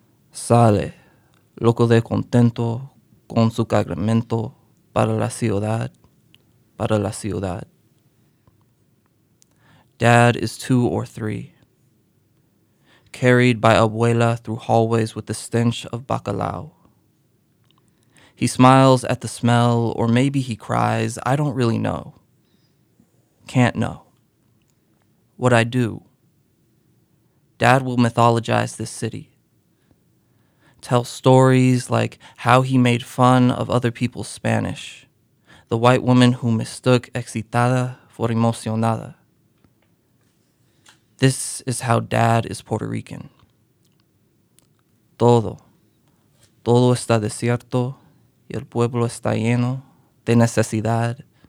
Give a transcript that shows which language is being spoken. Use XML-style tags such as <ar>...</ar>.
<es>Sale, loco de contento, con su cargamento, para la ciudad, para la ciudad.</es> <en>Dad is two or three. Carried by abuela through hallways with the stench of bacalao. He smiles at the smell, or maybe he cries, I don't really know. Can't know. What I do. Dad will mythologize this city. Tell stories like how he made fun of other people's Spanish. The white woman who mistook excitada for emocionada. This is how Dad is Puerto Rican.</en> <es>Todo. Todo está desierto. Y el pueblo está lleno de necesidad.</es>